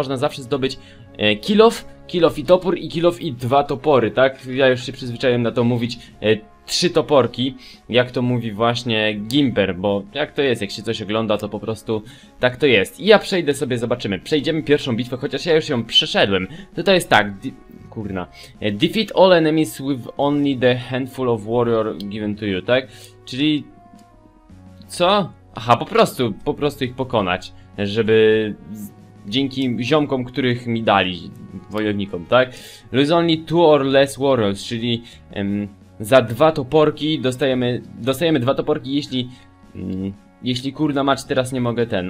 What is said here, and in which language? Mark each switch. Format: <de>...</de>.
<pl>Można zawsze zdobyć kill off i topór i kill off i dwa topory, tak? Ja już się przyzwyczaiłem na to mówić trzy toporki, jak to mówi właśnie Gimper, bo jak to jest, jak się coś ogląda, to po prostu tak to jest. I ja przejdę sobie, zobaczymy. Przejdziemy pierwszą bitwę, chociaż ja już ją przeszedłem. Tutaj jest tak, kurna.</pl> <en>Defeat all enemies with only the handful of warrior given to you, tak?</en> <pl>Czyli... co? Aha, po prostu ich pokonać, żeby dzięki ziomkom, których mi dali, wojownikom, tak?</pl> <en>Lose only two or less warriors,</en> <pl>czyli za dwa toporki dostajemy dwa toporki, jeśli kurna mać, teraz nie mogę ten.</pl>